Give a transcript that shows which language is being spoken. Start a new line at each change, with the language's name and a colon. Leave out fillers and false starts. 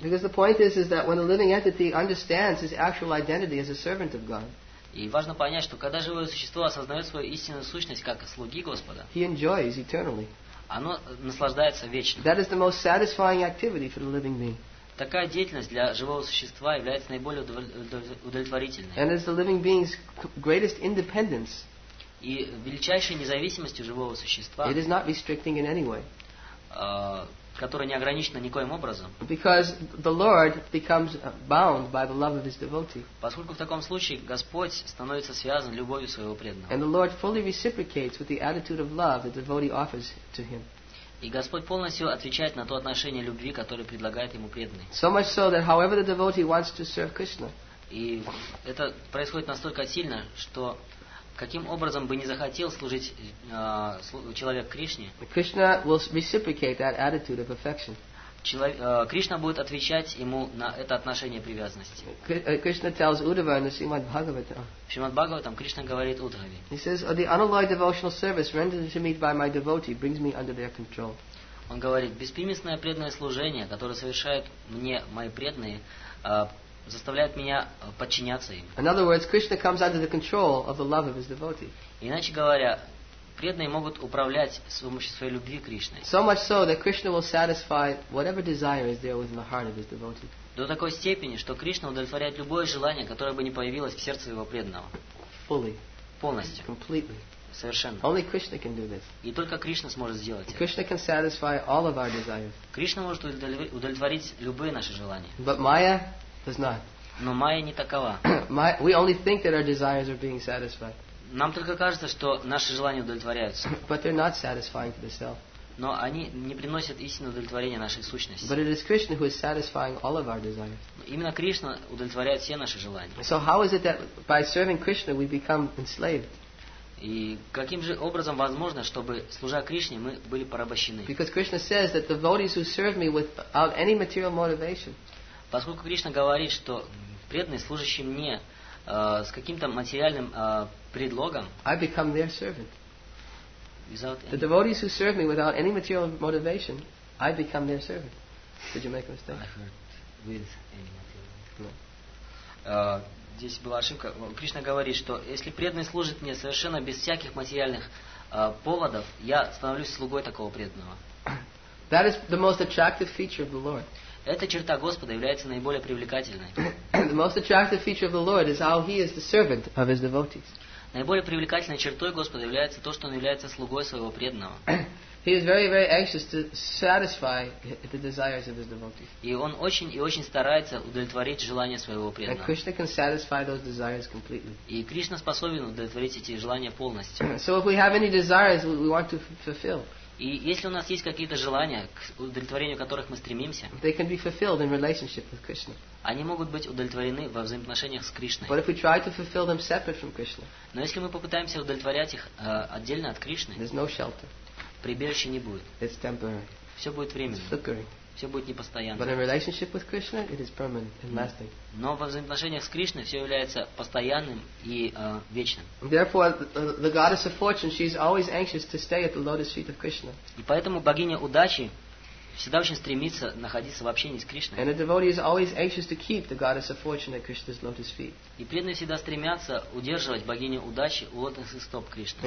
English: Because the point is that when a living entity understands his actual identity as a servant of God.
Russian: И важно понять, что когда живое существо осознает свою истинную сущность как слуги Господа.
English: He enjoys eternally.
Russian: Оно наслаждается вечно.
English: That is the most satisfying activity for the living being.
Russian: Такая деятельность для живого существа является наиболее удовлетворительной.
English: And is the living being's greatest independence.
Russian: И величайшей независимостью живого существа.
English: It is not restricting in any way.
Russian: Которая не ограничена никоим образом.
English: Because the Lord becomes bound by the love of his devotee.
Russian: Поскольку в таком случае Господь становится связан любовью своего преданного.
English: And the Lord fully reciprocates with the attitude of love that the devotee offers to him.
Russian: И Господь полностью отвечает на то отношение любви, которое предлагает ему преданный.
English: So much so that however the devotee wants to serve Krishna.
Russian: И это происходит настолько сильно, что каким образом бы не захотел служить человек Кришне,
English: Krishna will reciprocate that attitude of affection.
Russian: Кришна будет отвечать ему на это отношение привязанности.
English: Krishna tells Uddhava in the Srimad Bhagavatam.
Russian: В Srimad Bhagavatam Кришна говорит Удхаве.
English: He says, oh, the unalloyed devotional service rendered to me by my devotee brings me under their control.
Russian: Он говорит, беспримесное преданное служение, которое совершают мне мои преданные, заставляет меня подчиняться им.
English: In other words, Krishna comes under the control of the love of his devotee.
Russian: Иначе говоря, преданные могут управлять с помощью своей любви Кришны.
English: So much so that Krishna will satisfy whatever desire is there within the heart of his devotee.
Russian: До такой степени, что Кришна удовлетворяет любое желание, которое бы не появилось в сердце его преданного.
English: Fully.
Russian: Полностью.
English: Completely.
Russian: совершенно.
English: Only Krishna can do this.
Russian: И только Кришна сможет сделать это.
English: Krishna can satisfy all of our desires.
Russian: Кришна может удовлетворить любые наши желания.
English: But Maya does not.
Russian: Но Майя не такова.
English: We only think that our desires are being satisfied.
Russian: Нам только кажется, что наши желания удовлетворяются.
English: But they're not satisfying to the self.
Russian: Но они не приносят истинного удовлетворения нашей сущности.
English: But it is Krishna who is satisfying all of our desires.
Russian: Именно Кришна удовлетворяет все наши желания.
English: So how is it that by serving Krishna we become enslaved?
Russian: И каким же образом возможно, чтобы служа Кришне мы были порабощены?
English: Because Krishna says that the devotees who serve me without any material motivation.
Russian: Поскольку Кришна говорит, что преданные служащие мне с каким-то материальным предлогом.
English: I become their servant. Without any... The devotees who serve me without any material motivation, I become their servant. Did you make a mistake? I heard with any material.
Russian: Здесь была ошибка. Кришна говорит, что если преданный служит мне совершенно без всяких материальных поводов, я становлюсь слугой такого преданного.
English: That is the most attractive feature of the Lord.
Russian: Эта черта Господа является наиболее привлекательной.
English: The most attractive feature of the Lord is how He is the servant of His devotees.
Russian: Наиболее привлекательной чертой Господа является то, что Он является слугой своего преданного.
English: He is very, very anxious to satisfy the desires of His devotees.
Russian: И Он очень и очень старается удовлетворить желания своего преданного.
English: And Krishna can satisfy those desires completely.
Russian: И Кришна способен удовлетворить эти желания полностью.
English: So if we have any desires we want to fulfill.
Russian: И если у нас есть какие-то желания, к удовлетворению которых мы стремимся,
English: they can be fulfilled in relationship with Krishna.
Russian: Они могут быть удовлетворены во взаимоотношениях с Кришной.
English: But if we try to fulfill them separate from Krishna,
Russian: но если мы попытаемся удовлетворять их отдельно от Кришны,
English: there's no shelter.
Russian: Прибежища не будет.
English: It's temporary.
Russian: Все будет временно.
English: It's flickering.
Russian: Все будет непостоянно.
English: But in relationship with Krishna, it is permanent and lasting.
Russian: Но во взаимоотношениях с Кришной все является постоянным и вечным.
English: Therefore, the goddess of fortune, she is always anxious to stay at the lotus feet of Krishna.
Russian: И поэтому богиня удачи всегда очень стремится находиться в общении с Кришной.
English: And the devotee is always anxious to keep the goddess of fortune at Krishna's lotus feet.
Russian: И преданные всегда стремятся удерживать богиню удачи у лотосных стоп Кришны.